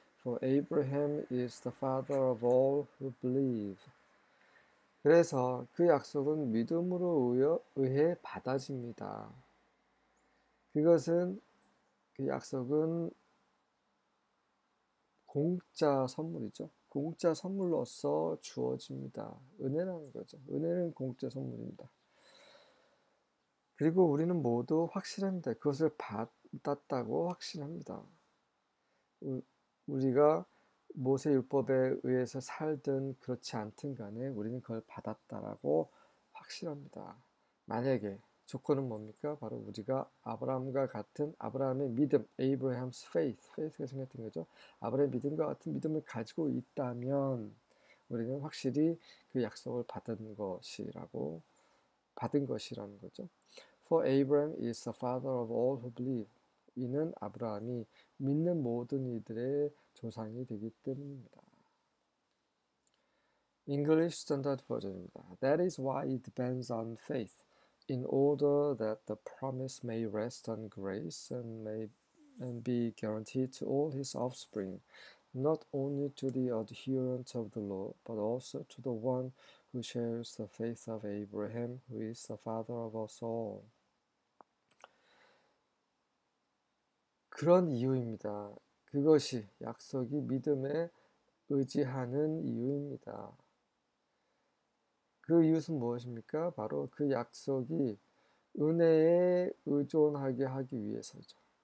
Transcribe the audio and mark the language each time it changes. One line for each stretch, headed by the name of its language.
English: For Abraham is the father of all who believe.
Korean: 그래서 그 약속은 믿음으로 의해 받아집니다. 그것은 그 약속은 공짜 선물이죠. 공짜 선물로서 주어집니다. 은혜라는 거죠. 은혜는 공짜 선물입니다. 그리고 우리는 모두 확실합니다. 그것을 받았다고 확신합니다. 우리가 모세율법에 의해서 살든 그렇지 않든 간에 우리는 그걸 받았다라고 확신합니다. 만약에 조건은 뭡니까? 바로 우리가 아브라함과 같은 아브라함의 믿음, Abraham's faith, faith가 생겼던 거죠. 아브라함의 믿음과 같은 믿음을 가지고 있다면 우리는 확실히 그 약속을 받은 것이라는 거죠.
English: For Abraham is the father of all who believe.
Korean: 이는 아브라함이 믿는 모든 이들의 조상이 되기 때문입니다.
English: English Standard Version입니다. That is why it depends on faith. In order that the promise may rest on grace and be guaranteed to all his offspring, not only to the adherent of the law, but also to the one who shares the faith of Abraham, who is the father of us all.
Korean: 그런 이유입니다. 그것이 약속이 믿음에 의지하는 이유입니다. 그 이유는 무엇입니까? 바로 그 약속이 은혜에 의존하게 하기 위해서죠.